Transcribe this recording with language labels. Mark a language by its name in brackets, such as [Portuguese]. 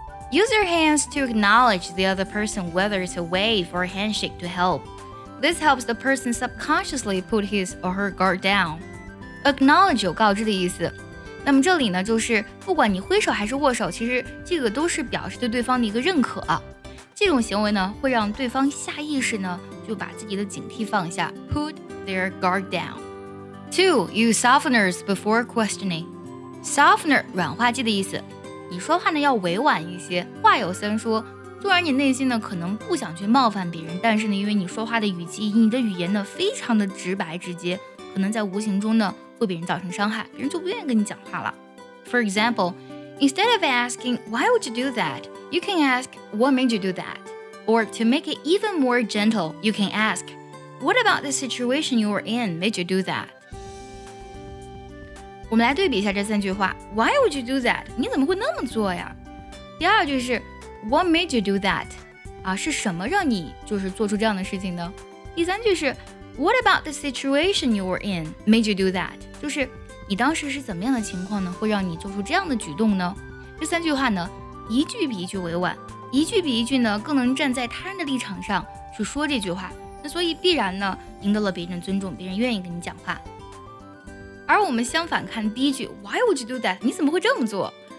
[English] Use your hands to acknowledge the other person, whether it's a wave or a handshake to help. This helps the person subconsciously put his or her guard down. [Chinese] Acknowledge 有告知的意思。那么这里呢就是不管你挥手还是握手，其实这个都是表示对对方的一个认可。这种行为呢会让对方下意识呢就把自己的警惕放下， [English] put their guard down. [Chinese] 2. [English] Use softeners before questioning. [Chinese] Softener 软化剂的意思，你说话呢要委婉一些，话有三说。虽然你内心呢可能不想去冒犯别人，但是呢因为你说话的语气，你的语言呢非常的直白直接，可能在无形中呢会被人造成伤害，别人就不愿意跟你讲话了。 [English] For example, instead of asking why would you do that, you can ask what made you do that. Or to make it even more gentle, you can ask what about the situation you were in made you do that. [Chinese] 我们来对比一下这三句话。 [English] Why would you do that? [Chinese] 你怎么会那么做呀？第二句是 [English] what made you do that? [Chinese] 啊，是什么让你就是做出这样的事情呢？第三句是 [English] What about the situation you were in made you do that? [Chinese] 就是你当时是怎么样的情况呢会让你做出这样的举动呢？这三句话呢一句比一句委婉，一句比一句呢更能站在他人的立场上去说这句话，那所以必然呢赢得了别人的尊重，别人愿意跟你讲话。而我们相反看第一句 [English] Why would you do that? [Chinese] 你怎么会这么做？